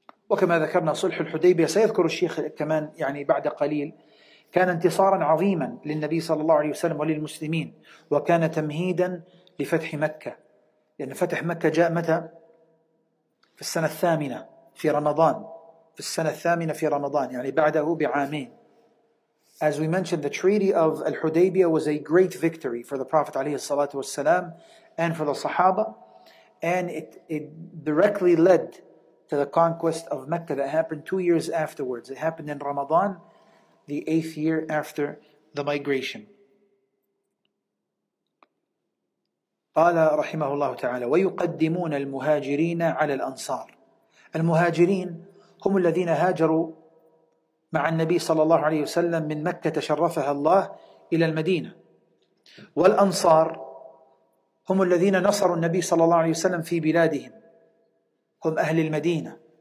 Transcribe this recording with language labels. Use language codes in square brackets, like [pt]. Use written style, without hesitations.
[ar] وكما ذكرنا صلح الحديبية سيذكر الشيخ كمان يعني بعد قليل, كان انتصارا عظيما للنبي صلى الله عليه وسلم وللمسلمين, وكان تمهيدا لفتح مكة, لأن فتح مكة جاء متى؟ في السنة الثامنة في رمضان, في السنة الثامنة في رمضان, يعني بعده بعامين. [en] As we mentioned, the treaty of Al-Hudaybiyah was a great victory for the Prophet [ar] عليه الصلاة والسلام [en] and for the Sahaba, and it directly led to the conquest of Mecca that happened 2 years afterwards. It happened in Ramadan, the 8th year after the migration. [ar] قال رحمه الله تعالى ويقدمون المهاجرين على الأنصار. المهاجرين هم الذين هاجروا مع النبي صلى الله عليه وسلم من مكة تشرفها الله إلى المدينة. والأنصار هم الذين نصروا النبي صلى الله عليه وسلم في بلادهم, هم أهل المدينة.